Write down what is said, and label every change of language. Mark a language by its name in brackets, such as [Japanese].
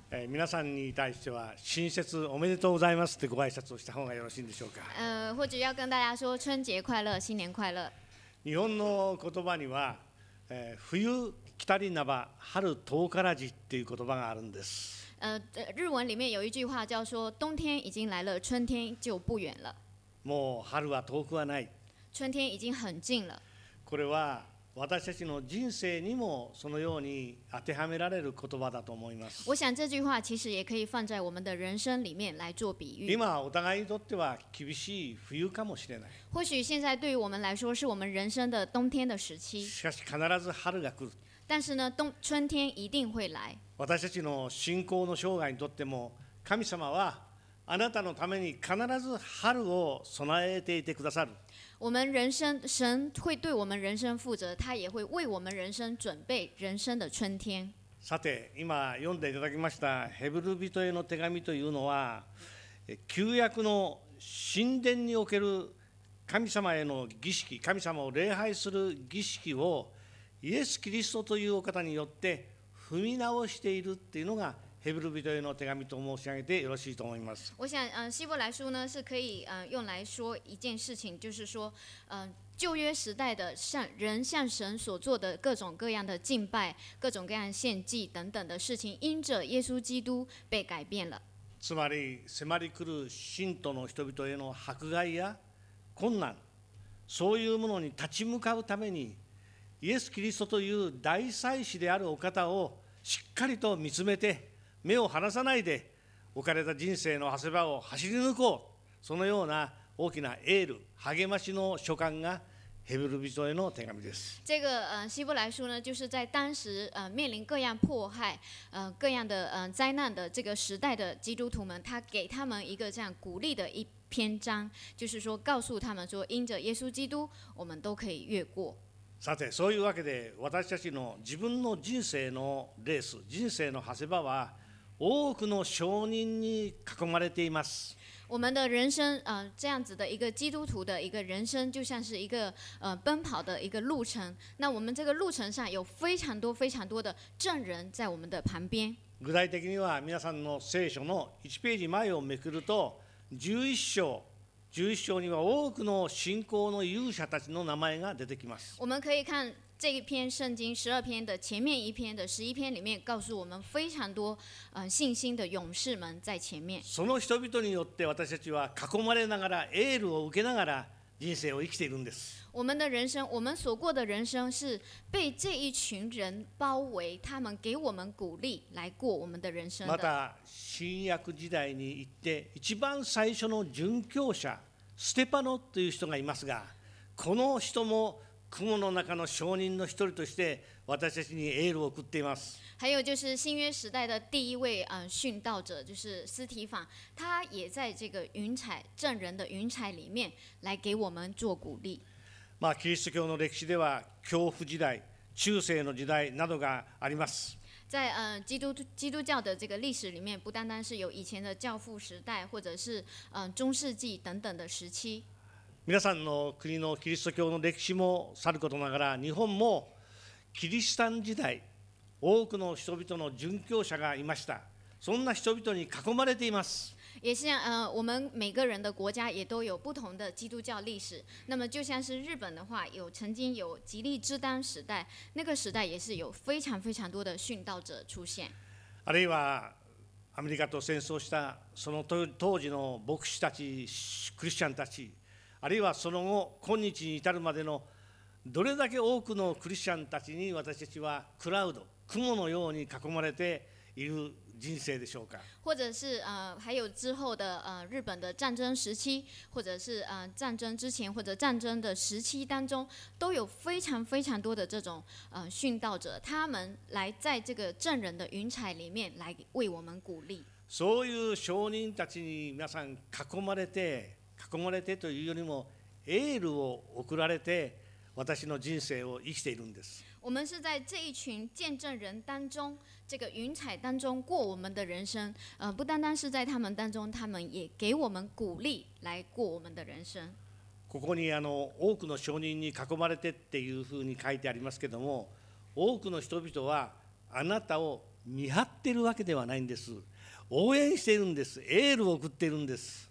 [Japanese] 皆さんに対しては新設おめでとうございますってご挨拶をした方がよろしいんでしょうか。 [Chinese] 或者要跟大家说春节快乐新年快乐。 [Japanese] 日本の言葉には、冬来たりなば春遠からじっていう言葉があるんです。 [Chinese] 日文里面有一句话叫说冬天已经来了春天就不远了。 [Japanese] もう春は遠くはない。 [Chinese] 春天已经很近了。 [Japanese] これは私たちの人生にもそのように当てはめられる言葉だと思います。 [Chinese] 我想这句话其实也可以放在我们的人生里面来做比喻。 [Japanese] 今お互いにとっては厳しい冬かもしれない。 [Chinese] 或许现在对于我们来说是我们人生的冬天的时期。 [Japanese] しかし必ず春が来る。 [Chinese] 但是呢春天一定会来。 [Japanese] 私たちの信仰の生涯にとっても神様はあなたのために必ず春を備えていてくださる。 [Chinese] 我们人生神会对我们人生负责，他也会为我们人生准备人生的春天。 [Japanese] さて今読んでいただきましたヘブル人への手紙というのは旧約の神殿における神様への儀式、神様を礼拝する儀式をイエス・キリストというお方によって踏み直しているっていうのがヘブル人への手紙と申し上げてよろしいと思います。 [Chinese] 我想希伯来书呢是可以用来说一件事情，就是说旧约时代的人向神所做的各种各样的敬拜、各种各样献祭等等的事情，因着耶稣基督被改变了。 [Japanese] つまり迫り来る信徒の人々への迫害や困難、そういうものに立ち向かうためにイエス・キリストという大祭司であるお方をしっかりと見つめて目を離さないで置かれた人生の長谷場を走り抜こう、そのような大きなエール、励ましの書簡がヘブル人への手紙です。 [Chinese] 这个希伯来书呢，就是在当时面临各样迫害、各样的灾难的这个时代的基督徒们，他给他们一个这样鼓励的一篇章，就是说告诉他们说，因着耶稣基督，我们都可以越过。 [Japanese] さてそういうわけで私たちの自分の人生のレース、人生の長谷場は多くの証人に囲まれています。 [Chinese] 我们的人生这样子的一个基督徒的一个人生就像是一个奔跑的一个路程，那我们这个路程上有非常多非常多的证人在我们的旁边。 [Japanese] 具体的には皆さんの聖書の1ページ前をめくると11章には多くの信仰の勇者たちの名前が出てきます。 [Chinese] 我们可以看这一篇圣经十二篇的前面一篇的十一篇里面告诉我们非常多信心的勇士们在前面。 [Japanese] その人々によって私たちは囲まれながらエールを受けながら人生を生きているんです。 [Chinese] 我们的人生，我们所过的人生是被这一群人包围，他们给我们鼓励来过我们的人生的。 [Japanese] また新約時代に行って一番最初の殉教者ステパノという人がいますが、この人も雲の中の証人の一人として私たちにエールを送っています。 [Chinese] 还有就是新约时代的第一位殉道者，就是斯提凡，他也在这个云彩证人的云彩里面来给我们做鼓励。 [Japanese] まあ、キリスト教の歴史では恐怖時代、中世の時代などがあります。 [Chinese] 在基督教的这个历史里面，不单单是有以前的教父时代，或者是中世纪等等的时期。 [Japanese] 皆さんの国のキリスト教の歴史もさることながら、日本もキリシタン時代、多くの人々の殉教者がいました。そんな人々に囲まれています。 [Chinese] 也像我们每个人的国家也都有不同的基督教历史，那么就像是日本的话，有曾经有吉利之丹时代，那个时代也是有非常非常多的殉道者出现。 [Japanese] あるいはアメリカと戦争したその当時の牧師たち、クリスチャンたち、あるいはその後今日に至るまでのどれだけ多くのクリスチャンたちに私たちはクラウド、雲のように囲まれている人生でしょうか。 [Chinese] 或者是还有之后的日本的战争时期，或者是战争之前或者战争的时期当中，都有非常非常多的这种殉道者，他们来在这个证人的云彩里面来为我们鼓励。 [Japanese] そういう証人たちに皆さん囲まれてというよりもエールを送られて私の人生を生きているんです。 [Chinese] 我们是在这一群见证人当中，这个云彩当中过我们的人生，不单单是在他们当中，他们也给我们鼓励来过我们的人生。 [Japanese] ここに多くの証人に囲まれてっていうふうに書いてありますけども、多くの人々はあなたを見張ってるわけではないんです。応援しているんです。エールを送っているんです。